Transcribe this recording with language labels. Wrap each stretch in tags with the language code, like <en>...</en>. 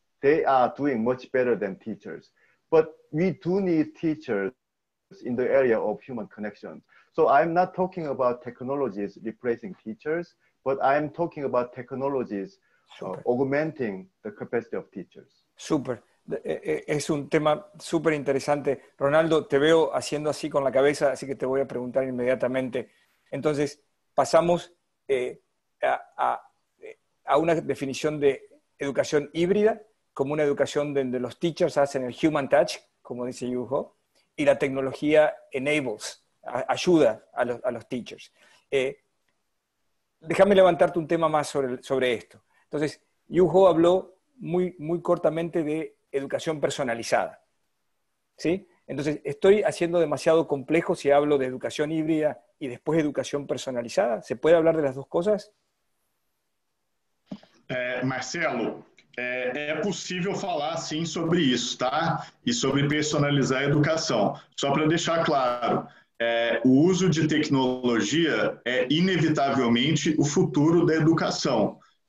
<en>They are doing much better than teachers. But we do need teachers in the area of human connections. So I'm not talking about technologies replacing teachers, but I'm talking about technologies augmenting the capacity of teachers.</en> <es>Super. Es un tema super interesante. Ronaldo, te veo haciendo así con la cabeza, así que te voy a preguntar inmediatamente. Entonces, pasamos a una definición de educación híbrida, como una educación donde los teachers hacen el</es> <en>human touch,</en> <es>como dice Yuho, y la tecnología</es> <en>enables,</en> <es>ayuda a los teachers. Déjame levantarte un tema más sobre esto. Entonces, Yuho habló muy, muy cortamente de educación personalizada. ¿Sí? Entonces, ¿estoy haciendo demasiado complejo si hablo de educación híbrida y después educación personalizada? ¿Se puede hablar de las dos cosas?</es> <pt>Marcelo, é possível falar sim sobre isso, tá? E sobre personalizar a educação. Só para deixar claro, o uso de tecnologia é inevitavelmente o futuro da educação.</pt>